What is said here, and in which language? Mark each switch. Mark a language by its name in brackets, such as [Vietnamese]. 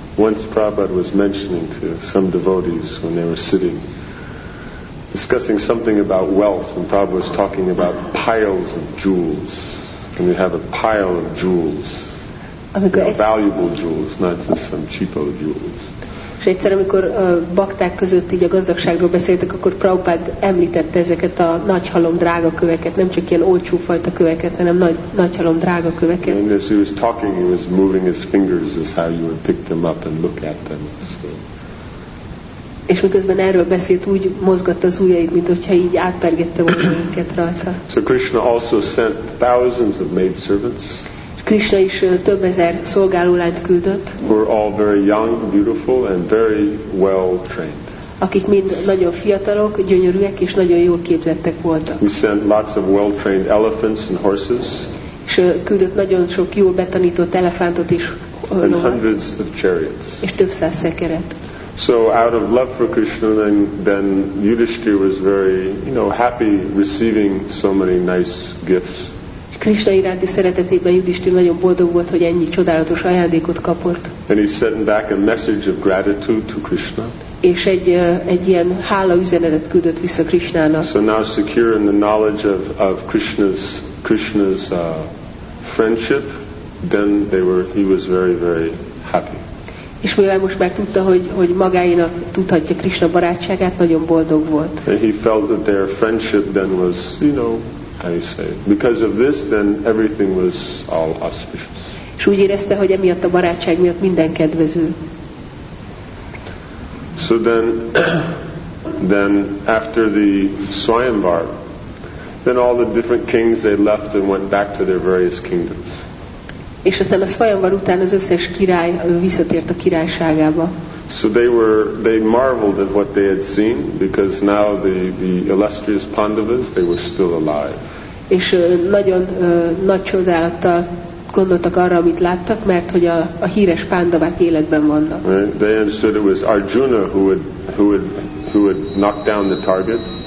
[English] Once Prabhupada was mentioning to some devotees when they were sitting discussing something about wealth, and Prabhupada was talking about piles of jewels. And you have a pile of jewels. Valuable jewels, not just some cheapo jewels. [Hungarian] És egyszer, amikor bakták között így a gazdagságról beszéltek, akkor Prabhupád említette ezeket a nagy halom drága köveket, nem csak ilyen olcsó fajta köveket, hanem nagy halom drága köveket. [English] And as he was talking, he was moving his fingers as how you would pick them up and look at them. So. [Hungarian] És miközben erről beszélt, úgy mozgatta az ujjait, mint hogyha így átpergette volna őket rajta. [English] So Krishna also sent thousands of maid servants. [Hungarian] Krishna is több ezer szolgálólányt küldött. [English] Were all very young, beautiful, and very well trained. [Hungarian] akik mind nagyon fiatalok, gyönyörűek és nagyon jól képzettek voltak. [English] We sent lots of well-trained elephants and horses. [Hungarian] És küldött nagyon sok jól betanított elefántot is. [English] And hundreds of chariots. [Hungarian] És több száz szekeret. [English] So out of love for Krishna, then Yudhishthira was very, you know, happy receiving so many nice gifts. [Hungarian] Krishna iránti szeretetében Yudhishthira nagyon boldog volt, hogy ennyi csodálatos ajándékot kapott. [English] And he sent back a message of gratitude to Krishna. [Hungarian] És egy ilyen hála üzenetet küldött vissza Krishnának. [English] So now secure in the knowledge of Krishna's friendship, then he was very, very happy. [Hungarian] És mivel most már tudta, hogy magáinak tudhatja Krishna barátságát, nagyon boldog volt. [English] And he felt that their friendship then was, you know, how you say it. Because of this, then everything was all auspicious. [Hungarian] És úgy érezte, hogy emiatt a barátság miatt minden kedvező. [English] So then after the Swayamvar, then all the different kings, they left and went back to their various kingdoms. [Hungarian] És aztán a Svayamvar után az összes király visszatért a királyságába. [English] So they marveled at what they had seen, because now the illustrious Pandavas, they were still alive. [Hungarian] És nagyon nagy csodálattal gondoltak arra, amit láttak, mert hogy a híres Pandavák életben vannak. [English] Right? They understood it was Arjuna who would knock down the target.